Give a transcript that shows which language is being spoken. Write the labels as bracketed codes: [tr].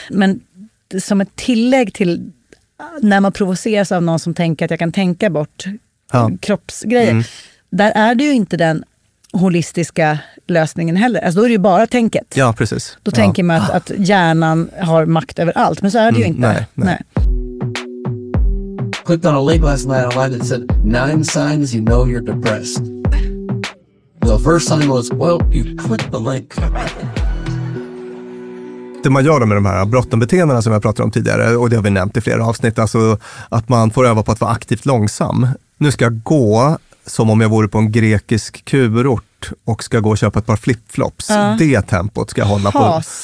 [sv] Men som ett tillägg till när man provoceras av någon som tänker att jag kan tänka bort kroppsgrejer. Mm. Där är det ju inte den holistiska lösningen heller. Alltså då är det ju bara tänket. Ja, precis. Då tänker man att hjärnan har makt över allt. Men så är det ju inte. Nej. [en] Clicked on a link last night online that said 9 signs you know you're depressed. The first sign was, well, you clicked the link. [sv] Det man gör med de här bråttombeteendena som jag pratade om tidigare, och det har vi nämnt i flera avsnitt, alltså att man får öva på att vara aktivt långsam. Nu ska jag gå som om jag vore på en grekisk kurort och ska gå och köpa ett par flipflops. Det tempot ska jag hålla på.